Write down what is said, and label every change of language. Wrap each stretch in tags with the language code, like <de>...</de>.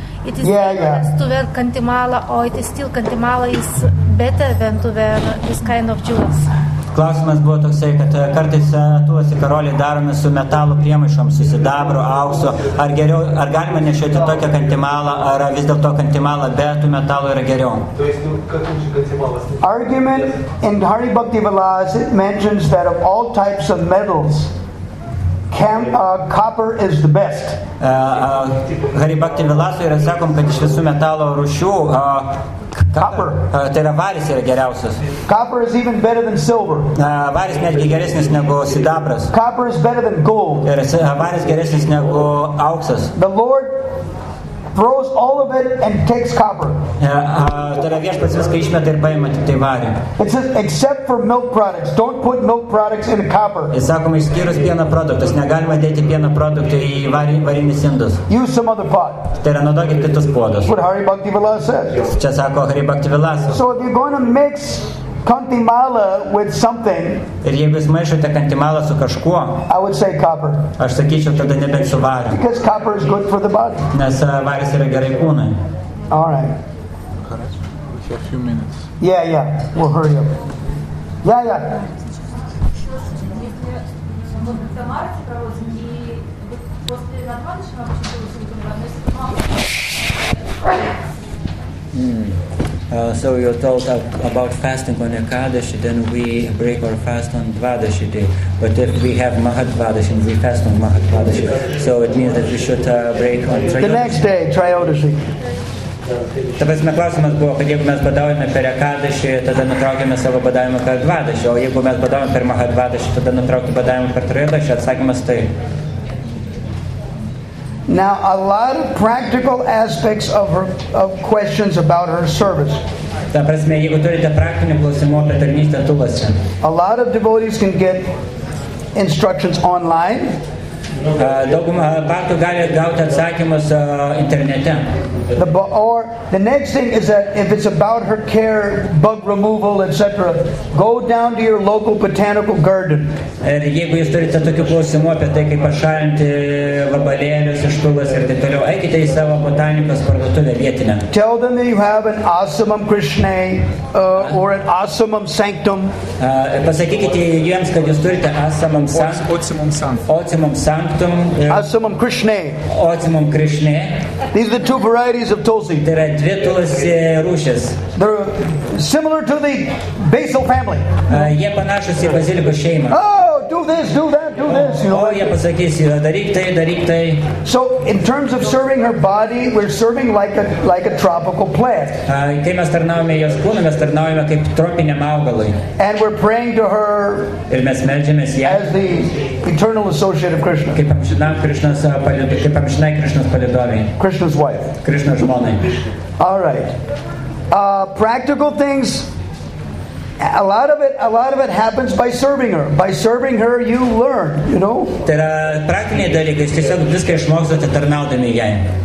<en>It is tuver kantimala, or it is still kantimala is better than tuver, this kind of jewels.</en> <lt>Klausimas buvo toksai, kad kartais tulsi karolį darome su metalų priemaišom, su sidabru, auksu. Ar geriau, ar galima nešioti tokią kantimalą, ar vis dėlto kantimalą be tų metalų yra geriau?</lt> <en>Argument in Hari Bhakti Vilas, it mentions that of all types of metals, copper is the best.</en> <lt>Harry Bhakti Vilasu yra sakom, kad iš visų metalo rūšių</lt> <en>copper.</en> <lt>Tai yra varis yra geriausias.</lt> <en>Copper is even better than silver.</en> <lt>Varis netgi geresnis negu sidabras.</lt> <en>Copper is better than gold.</en> <lt>Varis geresnis negu auksas.</lt> <en>The Lord throws all of it and takes copper. It says, except for milk products, don't put milk products in copper. Use some other pot. That's what Hari Bhakti Vilasa says. So if you're going to mix kantimala with something,</en> <lt>ir jeigu jūs maišote kantimalą su kažkuo,</lt> <en>I would say copper.</en> <lt>Aš sakyčiau tada nebent su variu.</lt> <en>Because copper is good for the body.</en> <lt>Nes varis yra gerai kūnui.</lt> <en>All right. A few minutes. Yeah, yeah. We'll hurry up. Yeah, yeah. So you told about fasting on Ekadashi, then we break our fast on Dvadashi day. But if we have Mahadvadashi, we fast on Mahadvadashi. So it means that we should break on Trayodashi. The next day, Trayodashi.</en> <lt>Ta prasme, klausimas buvo, kad jeigu mes badaujame per Ekadashi, tada nutraukime savo badavimą per Dvadashi. O jeigu mes badaujame per Mahadvadashi, tada nutraukti badavimą per Trayodashi. Atsakymas tai.</lt> <en>Now a lot of practical aspects of her, of questions about her service.</en> <lt>Ta prasme, jeigu turite praktinių klausimų apie tarnystę Tulose.</lt> <en>A lot of devotees can get instructions online.</en> <lt>Dauguma bhaktų gali gauti atsakymus internete.</lt> <en>The next thing is that if it's about her care, bug removal, etc., go down to your local botanical garden.</en> <lt>Ir jeigu jūs turite tokių klausimų apie tai, kaip pašalinti vabalėlius iš tulos ir taip toliau, eikite į savo botanikos parduotuvę vietinę.</lt> <en>Tell them that you have an asamam krishne or an asamam sanctum.</en> <lt>Pasakykite jiems, kad jūs turite asamam</lt> <la>sanctum. Otsimum sanctum. Asamam krishne. Otsimum krishne.</la> <en>These are the two varieties of tulsi. There are</en> <lt>dvi tulsi rūšis.</lt> <en>They're similar to the basil family.</en> <lt>Jie panašus į bazilikos šeimą.</lt> <en>Oh, do this, do that, do this. You know,</en> <lt>jie pasakys, daryk tai, daryk tai.</lt> <en>So, in terms of serving her body, we're serving like a tropical plant.</en> <lt>Kai mes tarnaujame jos kūną, mes tarnaujame kaip tropiniam augalui.</lt> <en>And we're praying to her as the eternal associate of Krishna.</en> <lt>Kaip amžinam Krishnas palydovei, kaip amžinai Krishnas palydovei.</lt> <en>Krishna's wife.</en> <lt>Krishna's žmonai.</lt> <en>All right. Practical things. A lot of it happens by serving her. By serving her, you learn. You know.</en> <lt>Tai yra praktiniai dalykai. Tiesiog viską išmoksite tarnaudami jai.</lt>